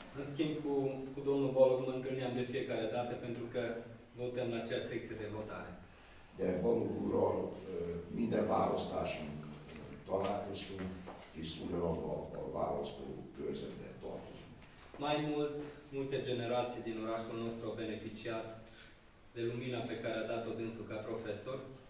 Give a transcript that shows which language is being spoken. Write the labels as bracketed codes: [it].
[ro] În schimb, cu domnul Bolog mă întâlneam de fiecare dată, pentru că votăm la aceeași secție de votare. [hu] De Bolog úrral minden választáson találkoztunk, és ugyanabban a választó körzetben tartozunk. [ro] Mai mult, multe generații din orașul nostru au beneficiat de lumina pe care a dat-o dânsul ca profesor.